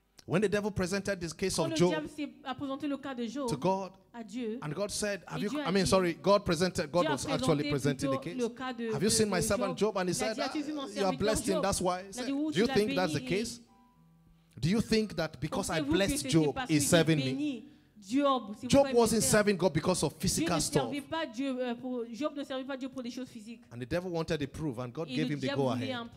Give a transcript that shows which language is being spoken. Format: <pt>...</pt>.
<en>When the devil presented this case of Job to God, and God said, have you, I mean, sorry, God presented, God was actually presenting the case. Have you seen my servant Job? And he said, you are blessed him, that's why. Do you think that's the case? Do you think that because I blessed Job, he's serving me? Job wasn't serving God because of physical stuff.</en> <fr>Job ne servait pas Dieu pour des choses physiques.</fr> <en>And the devil wanted a proof, and God gave him the go ahead.</en>